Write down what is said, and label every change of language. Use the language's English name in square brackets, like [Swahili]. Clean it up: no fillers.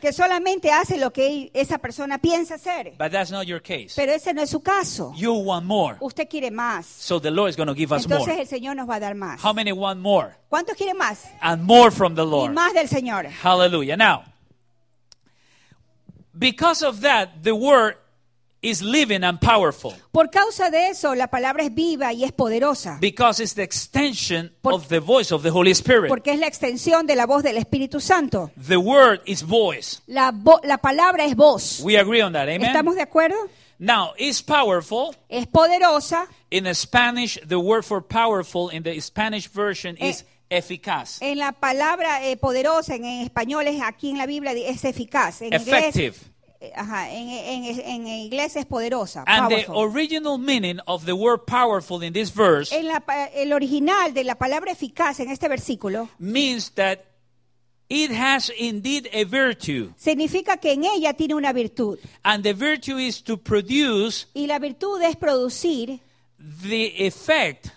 [Spanish] que solamente hace lo que esa persona piensa hacer. [English] But that's not your case. [Spanish] Pero ese no es su caso. [English] You want more. [Spanish] Usted quiere más. [English] So the Lord is going to give us [Spanish] entonces [English] more. [Spanish] El Señor nos va a dar más. [English] How many want more? [Spanish] ¿Cuántos quieren más? [English] And more from the Lord. [Spanish] Y más del Señor. [English] Hallelujah. Now, because of that, the word is living and powerful. [Spanish] Por causa de eso, la palabra es viva y es poderosa. [English] Because it's the extension of the voice of the Holy Spirit. [Spanish] Porque es la extensión de la voz del Espíritu Santo. [English] The word is voice. [Spanish] La palabra es voz. [English] We agree on that, amen? [Spanish] ¿Estamos de acuerdo? [English] Now, it's powerful. [Spanish] Es poderosa. [English] In Spanish, the word for powerful in the Spanish version is eficaz. [Spanish] En la palabra poderosa en español es aquí en la Biblia es eficaz. En [English] effective. [Spanish] Inglés, ajá, en inglés es poderosa. [English] And powerful. The original meaning of the word powerful in this verse, [Spanish] en la, el original de la palabra eficaz en este versículo, [English] means that it has indeed a virtue. [Spanish] Significa que en ella tiene una virtud. [English] And the virtue is to produce, [Spanish] y la virtud es producir, [English] the effect,